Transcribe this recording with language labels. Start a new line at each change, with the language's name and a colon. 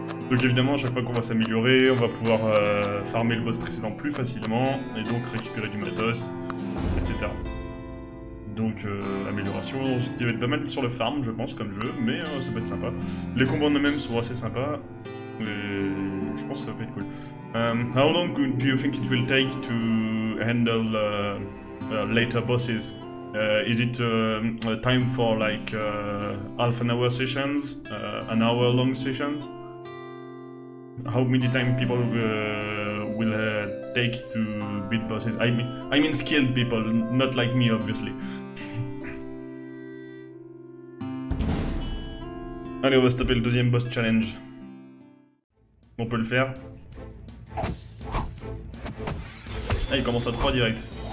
French: Donc évidemment, à chaque fois qu'on va s'améliorer, on va pouvoir farmer le boss précédent plus facilement et donc récupérer du matos, etc. Donc amélioration, ça devait être pas mal sur le farm je pense comme jeu, mais ça peut être sympa. Les combats en eux-mêmes sont assez sympas, mais je pense que ça peut être cool.
English: How long do you think it will take to handle later bosses? Is it time for like half an hour sessions, an hour long sessions? How many time people will take to beat bosses? I mean skilled people, not like me obviously.
French: Allez, on va se taper le deuxième boss challenge. On peut le faire. Ah, il commence à 3 direct.